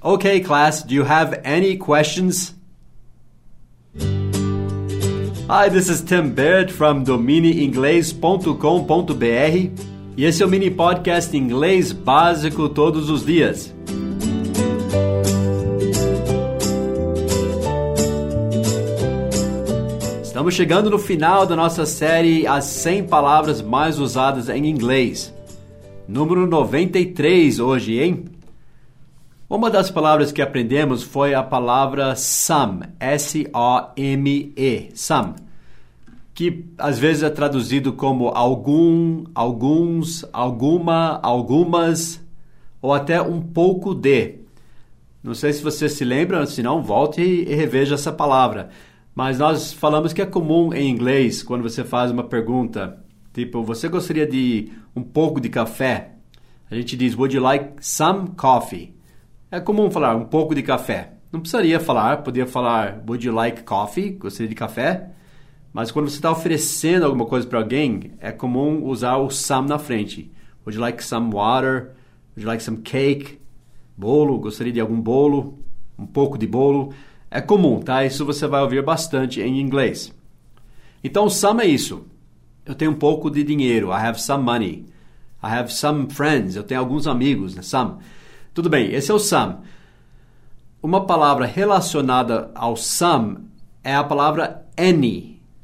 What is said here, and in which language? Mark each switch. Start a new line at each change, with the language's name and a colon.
English: Okay, class, do you have any questions? Hi, this is Tim Baird from
Portuguese: dominieinglês.com.br e esse é o mini podcast inglês básico todos os dias. Estamos chegando no final da nossa série As 100 Palavras Mais Usadas em Inglês. Número 93 hoje, hein? Uma das palavras que aprendemos foi a palavra some, S-O-M-E, some, que às vezes é traduzido como algum, alguns, alguma, algumas, ou até um pouco de. Não sei se você se lembra, se não, volte e reveja essa palavra. Mas nós falamos que é comum em inglês, quando você faz uma pergunta, tipo, você gostaria de um pouco de café? A gente diz,
English: would you like some coffee?
Portuguese: É comum falar um pouco de café. Não precisaria falar, podia falar,
English: would you like coffee?
Portuguese: Gostaria de café? Mas quando você está oferecendo alguma coisa para alguém, é comum usar o some na frente.
English: Would you like some water? Would you like some cake?
Portuguese: Bolo? Gostaria de algum bolo? Um pouco de bolo? É comum, tá? Isso você vai ouvir bastante em inglês. Então, some é isso. Eu tenho um pouco de dinheiro.
English: I have some money. I have some friends.
Portuguese: Eu tenho alguns amigos, né? Some. Tudo bem, esse é o some. Uma palavra relacionada ao some é a palavra any.